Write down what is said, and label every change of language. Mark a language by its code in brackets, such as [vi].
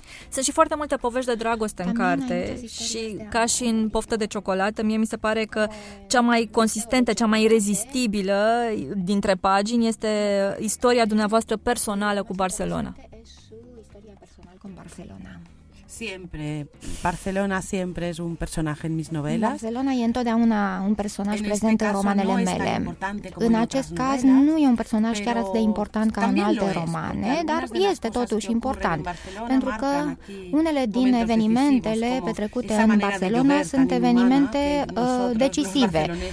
[ro] Sunt și foarte multe povești de dragoste în carte și, ca și în Poftă de ciocolată, mie mi se pare că cea mai consistentă, cea mai rezistibilă dintre pagini este istoria dumneavoastră personală cu Barcelona. [es] personal con Barcelona. Siempre. Barcelona siempre es un personaje en mis novelas. Barcelona y entotavia un personaje presente en [ro] romanele mele. În acest caz nu e un personaj chiar atât de important ca în alte romane, dar este totuși important. Pentru că unele din evenimentele petrecute în Barcelona sunt evenimente decisive.